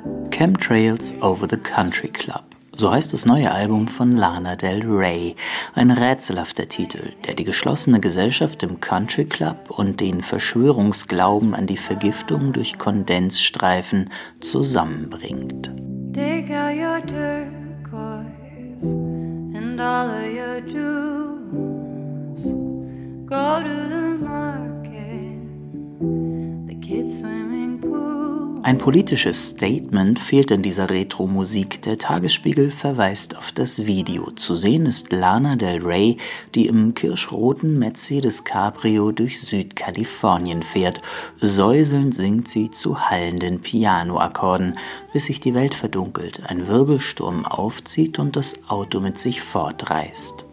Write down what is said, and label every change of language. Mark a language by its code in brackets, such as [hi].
[en] Chemtrails over the country club. [de] So heißt das neue Album von Lana Del Rey. Ein rätselhafter Titel, der die geschlossene Gesellschaft im Country Club und den Verschwörungsglauben an die Vergiftung durch Kondensstreifen zusammenbringt. [en] Take out your turquoise and all of your jewels. Go to the market, the kids swimming pool. [de] Ein politisches Statement fehlt in dieser Retro-Musik. Der Tagesspiegel verweist auf das Video. Zu sehen ist Lana Del Rey, die im kirschroten Mercedes Cabrio durch Südkalifornien fährt. Säuselnd singt sie zu hallenden Piano-Akkorden, bis sich die Welt verdunkelt, ein Wirbelsturm aufzieht und das Auto mit sich fortreißt.